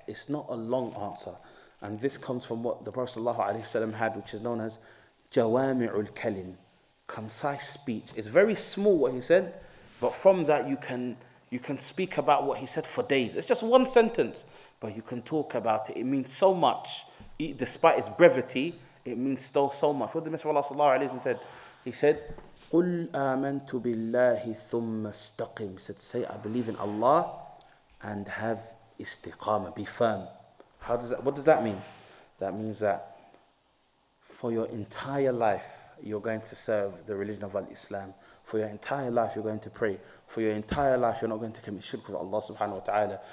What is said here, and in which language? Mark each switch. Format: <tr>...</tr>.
<en>It's not a long answer. And this comes from what the Prophet sallallahu alayhi wasallam had, which is known as Jawami'ul Kalim, concise speech. It's very small what he said, but from that you can speak about what he said for days. It's just one sentence, but you can talk about it. It means so much, despite its brevity. It means still so much. What did the Messenger of Allah sallallahu alayhi wa sallam said? He said,</en> <ar>قُلْ آمَنْتُ بِاللَّهِ ثُمَّ اسْتَقِيمْ.</ar> <en>He said, say, I believe in Allah and have istiqama, be firm. What does that mean? That means that for your entire life, you're going to serve the religion of Al-Islam. For your entire life, you're going to pray. For your entire life, you're not going to commit shirk with Allah subhanahu wa ta'ala.</en>